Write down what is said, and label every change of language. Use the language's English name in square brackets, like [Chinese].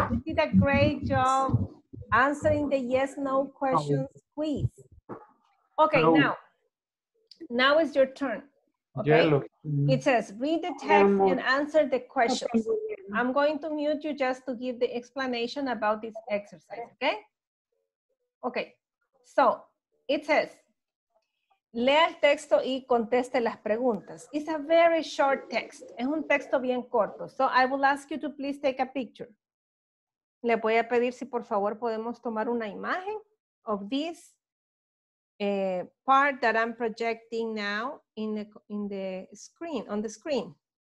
[English] You did a great job answering the yes, no questions quiz. Okay, now is your turn. Okay. It says, read the text and answer the questions. I'm going to mute you just to give the explanation about this exercise, okay? Okay, so it says, [Spanish] lea el texto y conteste las preguntas. [English] It's a very short text. [Spanish] Es un texto bien corto. [English] So I will ask you to please take a picture. [Spanish] Le voy a pedir si por favor podemos tomar una imagen [English] of this part that I'm projecting now on the screen.